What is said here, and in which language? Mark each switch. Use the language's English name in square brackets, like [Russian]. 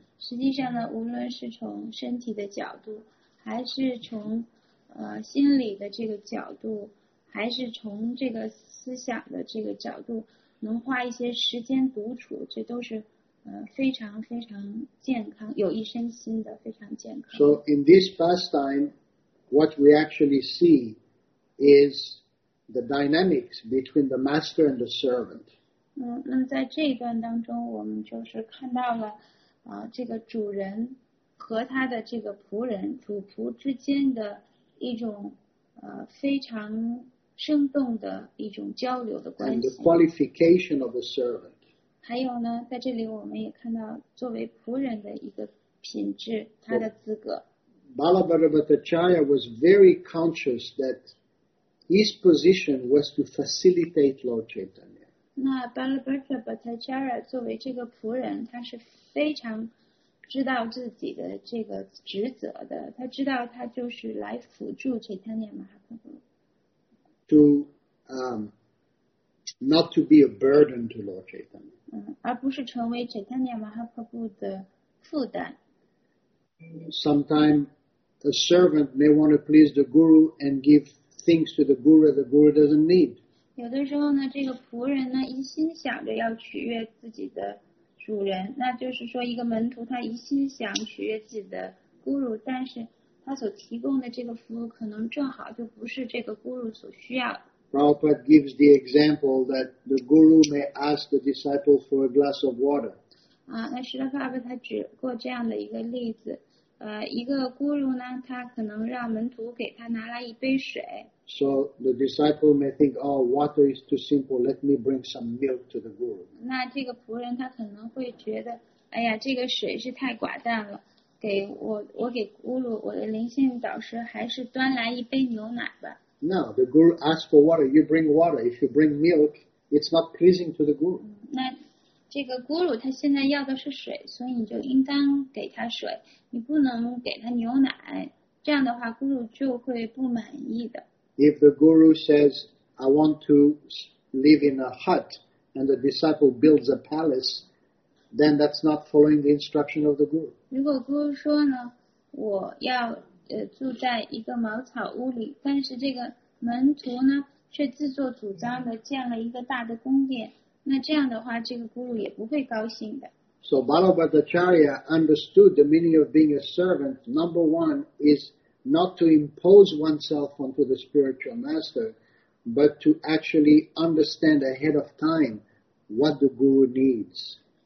[Chinese] 实际上呢，无论是从身体的角度，还是从心理的这个角度，还是从这个思想的这个角度，能花一些时间独处，这都是非常非常健康，有益身心的，非常健康。 [English] So in this pastime, what we actually see is the dynamics between the master and the servant. [Chinese] 那么在这一段当中，我们就是看到了这个主人和他的这个仆人，主仆之间的一种非常生动的一种交流的关系。 [English] And the qualification of a servant. [Chinese] 还有呢，在这里我们也看到作为仆人的一个品质，他的资格。 [English] Balabhadra Bhattacharya was very conscious that his position was to facilitate Lord Chaitanya. [Chinese] 那 Balabhadra Bhattacharya 作为这个仆人，他是非常知道自己的这个职责的，他知道他就是来辅助 Chaitanya Mahaprabhu。 [English] To not to be a burden to Lord Chaitanya. [Chinese] 而不是成为 Chaitanya Mahaprabhu 的负担。 [English] Sometimes a servant may want to please the guru and give things to the guru doesn't need. [Chinese] 有的时候呢，这个仆人呢，一心想着要取悦自己的主人，那就是说一个门徒他一心想取悦自己的 guru， 但是他所提供的这个服务可能正好就不是这个 guru 所需要。 [English] Prabhupada gives the example that the guru may ask the disciple for a glass of water. [Chinese] 那释迦牟尼佛他举过这样的一个例子，一个 guru 呢，他可能让门徒给他拿来一杯水。 [English] So the disciple may think, oh, water is too simple. Let me bring some milk to the guru. [Chinese] 那这个仆人他可能会觉得，哎呀，这个水是太寡淡了。我给 guru 我的灵性导师还是端来一杯牛奶吧。 [English] No, the guru asks for water. You bring water. If you bring milk, it's not pleasing to the guru. [Chinese] 那这个 guru 他现在要的是水，所以你就应当给他水，你不能给他牛奶。这样的话 ，guru 就会不满意的。 [English] If the guru says, "I want to live in a hut," and the disciple builds a palace, then that's not following the instruction of the guru. [Chinese] 如果 guru 说呢，我要住在一个茅草屋里，但是这个门徒呢却自作主张的建了一个大的宫殿，那这样的话，这个 guru 也不会高兴的。 [English] So Balabhadracharya understood the meaning of being a servant. Number one is not to impose oneself onto the spiritual master, but to actually understand ahead of time what the guru needs.